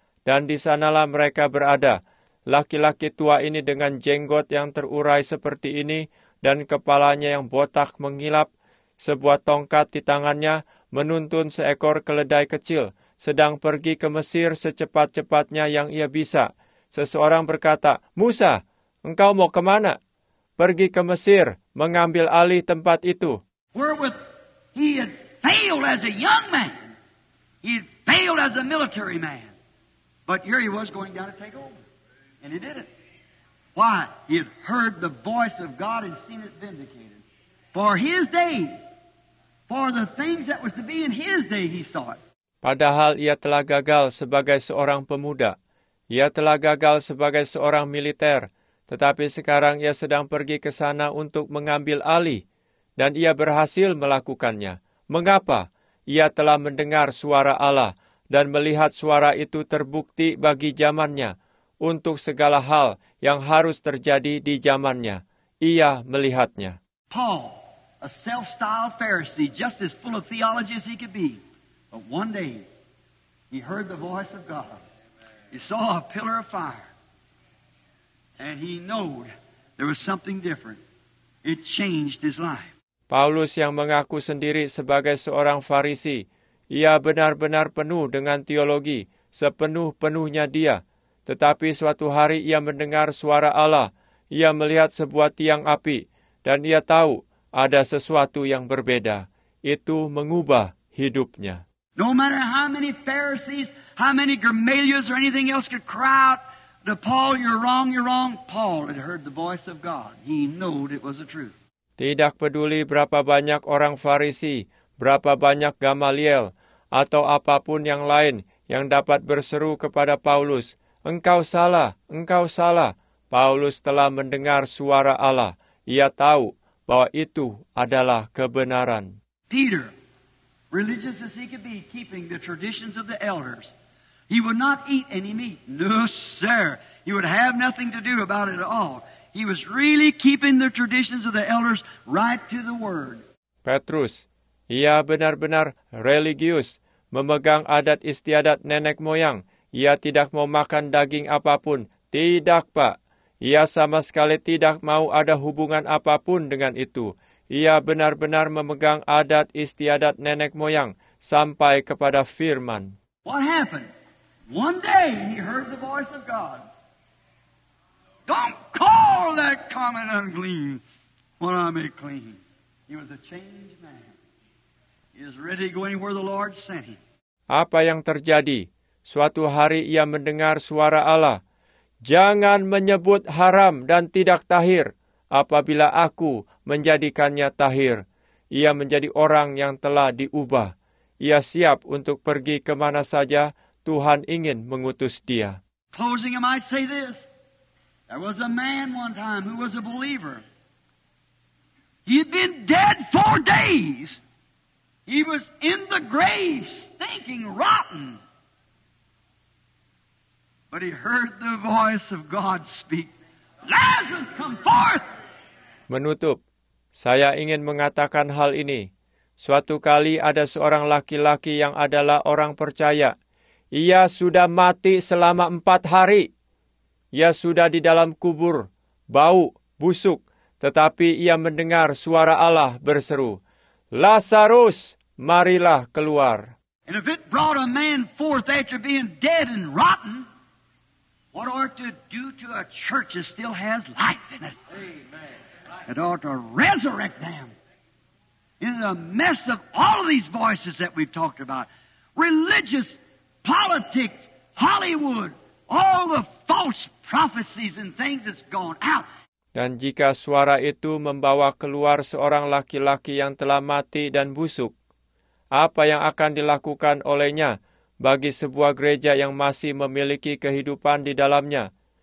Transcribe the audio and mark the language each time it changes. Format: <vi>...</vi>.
<id>Dan di sanalah mereka berada, laki-laki tua ini dengan jenggot yang terurai seperti ini dan kepalanya yang botak mengilap, sebuah tongkat di tangannya menuntun seekor keledai kecil, sedang pergi ke Mesir secepat-cepatnya yang ia bisa. Seseorang berkata, Musa, engkau mau kemana? Pergi ke Mesir, mengambil alih tempat itu.</id> <en>Wherewith he had failed as a young man. He had failed as a military man. But here he was going down to take over. And he did it. Why? He had heard the voice of God and seen it vindicated. For his day, for the things that was to be in his day, he saw it.</en> <id>Padahal ia telah gagal sebagai seorang pemuda. Ia telah gagal sebagai seorang militer, tetapi sekarang ia sedang pergi ke sana untuk mengambil alih, dan ia berhasil melakukannya. Mengapa? Ia telah mendengar suara Allah, dan melihat suara itu terbukti bagi zamannya, untuk segala hal yang harus terjadi di zamannya. Ia melihatnya.</id> <en>Paul, a self-styled Pharisee, just as full of theology as he could be, but one day, he heard the voice of God. He saw a pillar of fire, and he knew there was something different. It changed his life.</en> <id>Paulus yang mengaku sendiri sebagai seorang Farisi, ia benar-benar penuh dengan teologi, sepenuh-penuhnya dia. Tetapi suatu hari ia mendengar suara Allah, ia melihat sebuah tiang api, dan ia tahu ada sesuatu yang berbeda. Itu mengubah hidupnya.</id> <en>No matter how many Pharisees, how many Gamalias or anything else could cry out to Paul, you're wrong, Paul had heard the voice of God. He knew it was the truth.</en> <id>Tidak peduli berapa banyak orang Farisi, berapa banyak Gamaliel, atau apapun yang lain yang dapat berseru kepada Paulus, engkau salah, Paulus telah mendengar suara Allah. Ia tahu bahwa itu adalah kebenaran.</id> <en>Peter, religious as he could be, keeping the traditions of the elders, he would not eat any meat. No, sir. He would have nothing to do about it at all. He was really keeping the traditions of the elders right to the word.</en> <id>Petrus, ia benar-benar religius, memegang adat istiadat nenek moyang. Ia tidak mau makan daging apapun. Tidak, Pak. Ia sama sekali tidak mau ada hubungan apapun dengan itu. Ia benar-benar memegang adat istiadat nenek moyang sampai kepada firman.</id> <en>What happened? One day he heard the voice of God. Don't call that common unclean what I make clean. He was a changed man. He is ready to go anywhere the Lord sent him.</en> <id>Apa yang terjadi? Suatu hari ia mendengar suara Allah. Jangan menyebut haram dan tidak tahir apabila aku menjadikannya tahir. Ia menjadi orang yang telah diubah. Ia siap untuk pergi ke mana saja Tuhan ingin mengutus dia.</id> <en>Closing, I might say this. There was a man one time who was a believer. He had been dead 4 days. He was in the grave, stinking rotten. But he heard the voice of God speak. Lazarus, come forth!</en> <id>Menutup. Saya ingin mengatakan hal ini. Suatu kali ada seorang laki-laki yang adalah orang percaya. Ia sudah mati selama 4 hari. Ia sudah di dalam kubur, bau, busuk. Tetapi ia mendengar suara Allah berseru, Lazarus, marilah keluar.</id> <en>And if it brought a man forth after being dead and rotten, what ought to do to a church that still has life in it? Amen. It ought to resurrect them. In the mess of all of these voices that we've talked about, religious, politics, Hollywood, all the false prophecies and things that's gone out.</en> <id>Dan jika suara itu membawa keluar seorang laki-laki yang telah mati dan busuk, apa yang akan dilakukan olehnya bagi sebuah gereja yang masih memiliki kehidupan di dalamnya?</id>